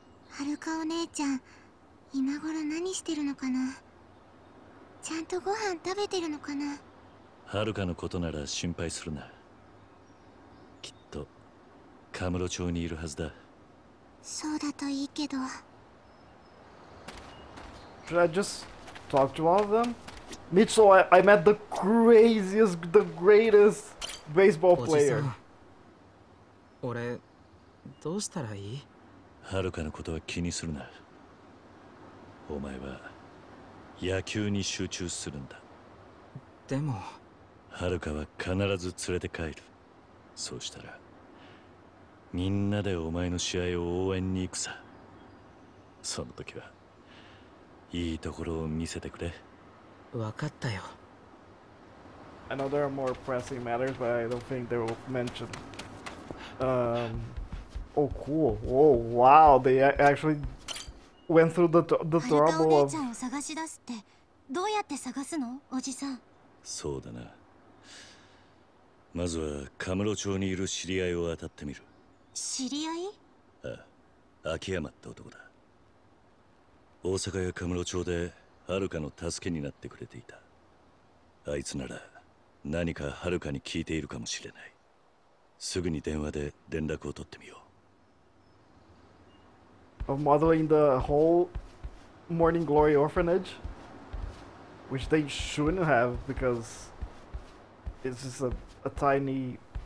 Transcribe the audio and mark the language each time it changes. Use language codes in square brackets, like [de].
[ja] はるかお姉ちゃん、今頃何してるのかな。ちゃんとご飯食べてるのかな。はるかのことなら心配するな。きっとカムロ町にいるはずだ。そうだといいけど。 [en] Should I just talk to all of them? Mitsuo, I met the craziest, the greatest baseball player. [ja] 俺、どうしたらいい？はるかのことは気にするな。お前は野球に集中するんだ。でも、はるかは必ず連れて帰る。そうしたら、みんなでお前の試合を応援に行くさ。その時は、いいところを見せてくれ。わかったよ。 [en] I know there are more pressing matters, but I don't think they will mention. Oh, cool. Oh, wow. They actually went through the trouble of. [ja] Haruka, お姉ちゃんを探し出すってどうやって探すの、おじさん。そうだな。まずはカムロ町にいる知り合いを当たってみる。知り合い？あ、秋山って男だ。大阪やカムロ町でハルカの助けになってくれていた。あいつなら何かハルカに聞いているかもしれない。すぐに電話で連絡を取ってみよう。 [en] Of modeling the whole Morning Glory orphanage, which they shouldn't have because it's just a tiny.